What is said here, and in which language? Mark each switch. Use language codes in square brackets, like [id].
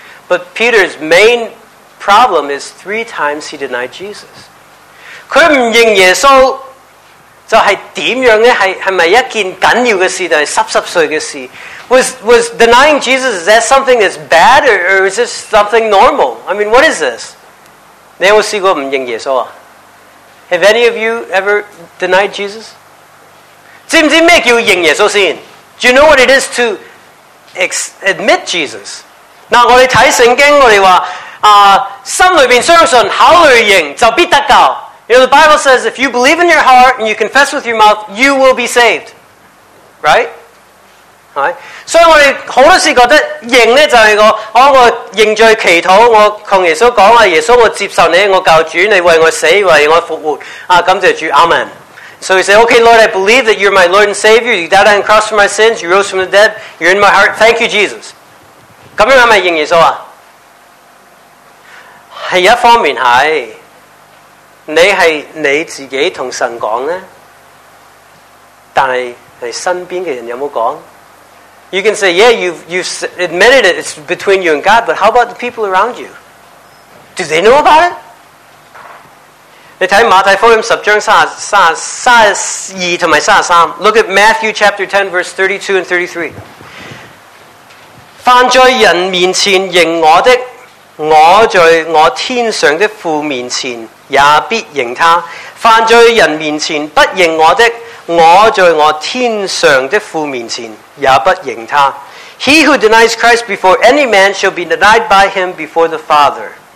[en] But Peter's main problem is three times he denied Jesus. [zh] 他不认耶稣就是怎样呢？是不是一件紧要的事，还是湿湿碎的事？ [en] Was denying Jesus, is that something that's bad, or is this something normal? I mean, what is this? [zh] 你有没有试过不认耶稣啊？ [en] Have any of you ever denied Jesus? [zh] 知不知道什么叫认耶稣先？ [en] Do you know what it is to admit Jesus? [zh] 那我们看圣经，我们说心里面相信，口里认就必得救。 [en] You know, the Bible says if you believe in your heart and you confess with your mouth, you will be saved. Right? Right? [zh] 所以我们很多时觉得认呢就是个、哦、我认罪祈祷，我跟耶稣讲，耶稣我接受你，我教主，你为我死，为我复活，感谢主， Amen. [en] So we say, okay, Lord, I believe that you're my Lord and Savior. You died on the cross for my sins. You rose from the dead. You're in my heart. Thank you, Jesus. [zh] 这样是不是认耶稣啊？是一方面是。你是你自己跟神讲呢，但 是身边的人有没有讲？ [en] You can say, yeah, you've admitted it, it's between you and God, but how about the people around you? Do they know about it? [zh] 你看马太福音十章三十二和三十三， [en] Look at Matthew chapter 10 verse 32 and 33。 [zh] 犯在人面前认我的，我在我天上的父面前也必认他，犯在人面前不认我的，我在我天上的父面前也不认他。 [en] He who denies Christ before any man shall be denied by him before the Father.